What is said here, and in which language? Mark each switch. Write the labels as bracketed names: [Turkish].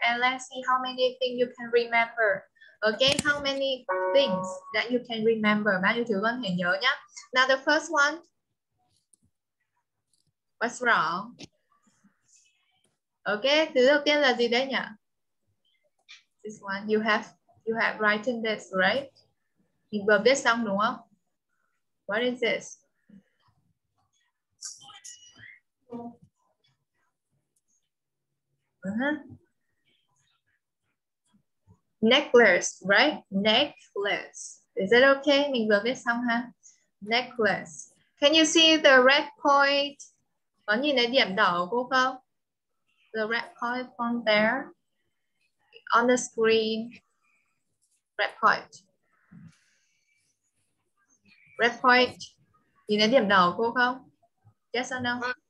[English] And let's see how many things you can remember. Okay, how many things that you can remember. [Vietnamese] Bao nhiêu thứ con thể nhớ nhá. [English] Now the first one. What's wrong? [Vietnamese] Okay, thứ đầu tiên là gì đấy nhỉ? [English] This one. You have written this, right? [Vietnamese] Mình vừa viết xong đúng không? [English] What is this? Uh-huh. Necklace, right? Necklace. Is it okay? [Vietnamese] Mình vừa viết xong ha. [English] Necklace. Can you see the red point? [Vietnamese] Có nhìn thấy điểm đỏ của cô không? [English] The red point from there on the screen. Red point. [Vietnamese] Red point, nhìn thấy điểm đỏ của cô không? [English] Yes or no?